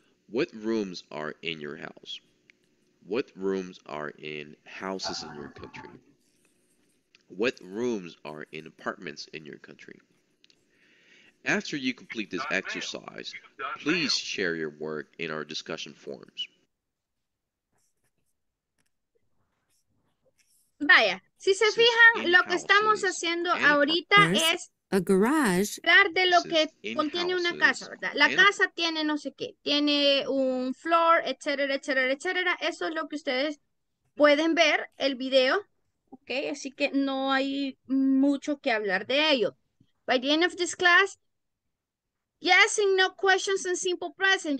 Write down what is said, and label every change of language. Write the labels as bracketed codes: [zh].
[en] What rooms are in your house? What rooms are in houses in your country? What rooms are in apartments in your country? After you complete this exercise, please share your work in our discussion forums. [es] Vaya, si se fijan, lo que estamos haciendo ahorita es hablar de lo que contiene una casa, ¿verdad? La casa tiene no sé qué, tiene un floor, etcétera, etcétera, etcétera. Eso es lo que ustedes pueden ver, el video, ¿ok? Así que no hay mucho que hablar de ello. [en] By the end of this class, yes and no questions in simple present.